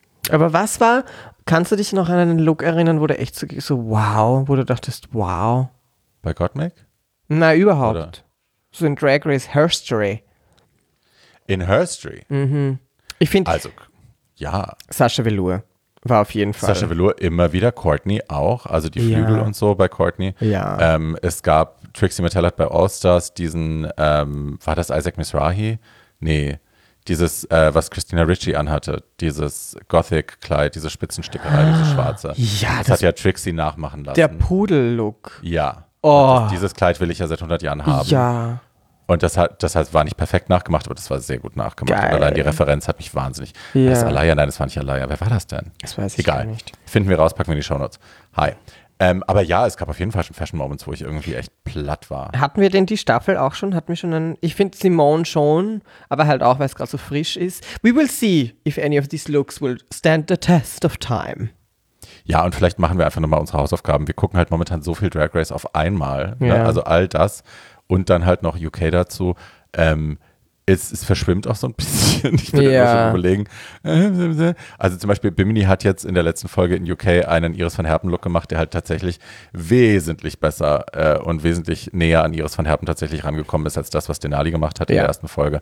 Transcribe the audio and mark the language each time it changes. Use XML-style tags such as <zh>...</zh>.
<de>Aber was war, kannst du dich noch an einen Look erinnern, wo du echt so wow, wo du dachtest, wow. Bei Gottmik? Na, überhaupt. Oder? So in Drag Race Herstory. In Herstory? Mhm. Ich finde. Also, ja. Sasha Velour war auf jeden Fall. Sasha Velour immer wieder, Courtney auch, also die Flügel und so bei Courtney. Ja. Es gab, Trixie Mattel hat bei All-Stars diesen, war das Isaac Mizrahi? Nee, dieses, was Christina Ricci anhatte, dieses Gothic-Kleid, diese Spitzenstickerei, diese schwarze. Ja, das hat ja Trixie nachmachen lassen. Der Pudel-Look. Ja. Oh. Dieses Kleid will ich ja seit 100 Jahren haben. Ja. Und das war nicht perfekt nachgemacht, aber das war sehr gut nachgemacht. Und allein die Referenz hat mich wahnsinnig. Ja. Das Alaya, nein, das war nicht Alaya. Wer war das denn? Das weiß ich gar nicht. Finden wir raus, packen wir in die Shownotes. Hi. Aber ja, es gab auf jeden Fall schon Fashion Moments, wo ich irgendwie echt platt war. Hatten wir denn die Staffel auch schon? Hatten wir schon einen? Ich finde Simone schon, aber halt auch, weil es gerade so frisch ist.</de> <en>We will see if any of these looks will stand the test of time.</en> <de>Ja, und vielleicht machen wir einfach nochmal unsere Hausaufgaben. Wir gucken halt momentan so viel Drag Race auf einmal. Ja. Ne? Also all das und dann halt noch UK dazu. Es verschwimmt auch so ein bisschen. Ich bin immer schon überlegen. Also zum Beispiel Bimini hat jetzt in der letzten Folge in UK einen Iris van Herpen Look gemacht, der halt tatsächlich wesentlich besser und wesentlich näher an Iris van Herpen tatsächlich rangekommen ist, als das, was Denali gemacht hat in der ersten Folge.</de>